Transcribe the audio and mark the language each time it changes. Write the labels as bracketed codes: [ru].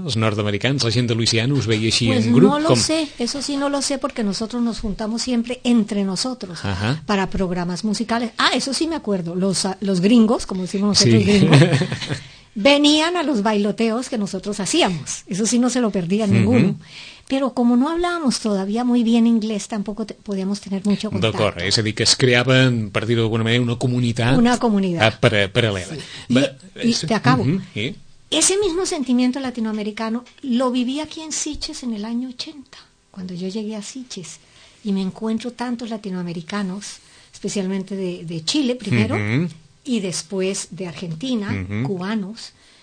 [ca] Els nord-americans, la gent de Louisiana us veia així [es] pues [ca] en grup? [es] No lo sé, eso sí no lo sé porque nosotros nos juntamos siempre entre nosotros. Ajá. Para programas musicales. Ah, eso sí me acuerdo, los gringos, como decimos nosotros, gringos, venían a los bailoteos que nosotros hacíamos. Eso sí no se lo perdía ninguno. Uh-huh. Pero como no hablábamos todavía muy bien inglés, tampoco podíamos tener mucho contacto. [ca] D'acord, és a dir, que es creava, per dir-ho d'alguna manera, una comunitat. Una comunitat. Paral·lela. [es] Sí. I te acabo. Uh-huh. Ese mismo sentimiento latinoamericano lo viví aquí en Sitges en el año 80, cuando yo llegué a Sitges. Y me encuentro tantos latinoamericanos, especialmente de Chile primero, uh-huh, y después de Argentina, uh-huh, cubanos.